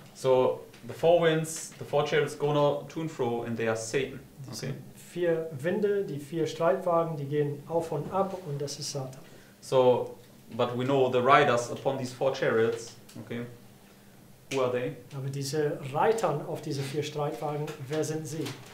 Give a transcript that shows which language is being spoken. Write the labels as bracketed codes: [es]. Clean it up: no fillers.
[en] So the four winds, the four chariots go now to and fro, and they are Satan. Okay. [de] Vier Winde, die vier Streitwagen, die gehen auf und ab, und das ist Satan. [en] So, but we know the riders upon these four chariots. Okay, who are they? [de] Aber diese Reiter auf diese vier Streitwagen, wer sind sie?